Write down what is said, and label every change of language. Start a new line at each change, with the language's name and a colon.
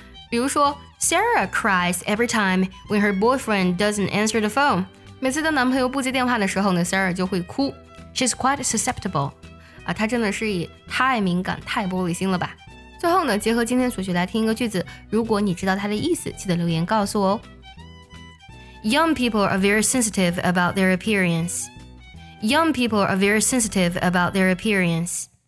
Chinese: 比如说
English: Sarah cries every time when her boyfriend doesn't answer the phone.
Chinese: 每次当男朋友不接电话的时候呢 ，Sarah 就会哭。
English: She's quite susceptible.
Chinese: 啊，她真的是太敏感、太玻璃心了吧？最后呢，结合今天所学来听一个句子。如果你知道它的意思，记得留言告诉我哦。
English: Young people are very sensitive about their appearance. Young people are very sensitive about their appearance.